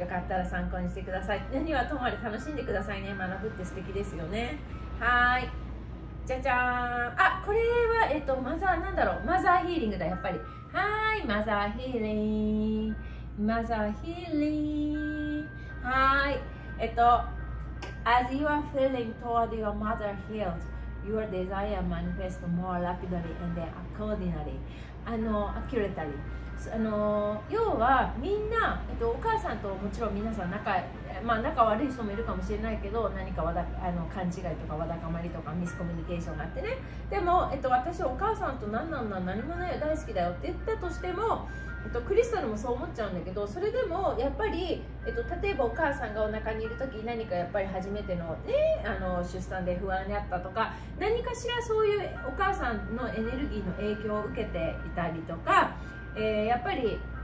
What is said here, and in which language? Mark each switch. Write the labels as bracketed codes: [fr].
[ja] よかったら参考にしてください。何はともあれ楽しんでくださいね。学ぶって素敵ですよね。はい、じゃじゃーん。あ、これは、マザーなんだろう、マザーヒーリングだ、やっぱり。はい、マザーヒーリング、マザーヒーリング。はい。 [en] As you are feeling toward your mother healed, your desire manifests more rapidly and then accordingly. Accurately. [ja] 要は、みんな、お母さんともちろん皆さん仲、まあ、仲悪い人もいるかもしれないけど、何かあの勘違いとかわだかまりとかミスコミュニケーションがあってね。でも、私、お母さんと何なんだ、何もないよ、大好きだよって言ったとしても、クリスタルもそう思っちゃうんだけど、それでもやっぱり、例えばお母さんがお腹にいるとき、何かやっぱり初めて の、ね、あの出産で不安にあったとか、何かしらそういうお母さんのエネルギーの影響を受けていたりとか、やっぱり